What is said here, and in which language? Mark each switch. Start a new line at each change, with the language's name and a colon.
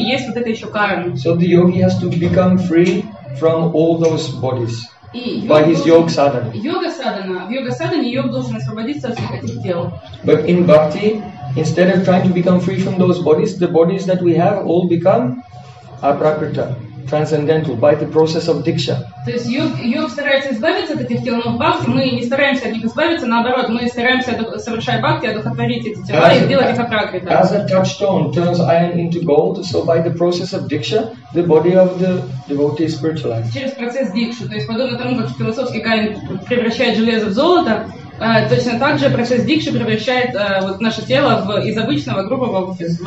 English: So, the yogi has to become free from all those bodies by his yoga sadhana. But in bhakti, instead of trying to become free from those bodies, the bodies that we have all become aprakrita. Transcendental by the process of diksha.
Russian: То есть йог старается избавиться от этих тел, но в бхакти мы не стараемся от них избавиться, наоборот, мы стараемся, совершая бхакти, одухотворить эти тела и сделать их апракрита.
English: As a touchstone turns iron into gold, so by the process of diksha, the body of the devotee is spiritualized.
Russian: Через процесс дикши, то есть подобно тому, как философский камень превращает железо в золото, точно так же процесс дикши превращает вот наше тело из обычного грубого в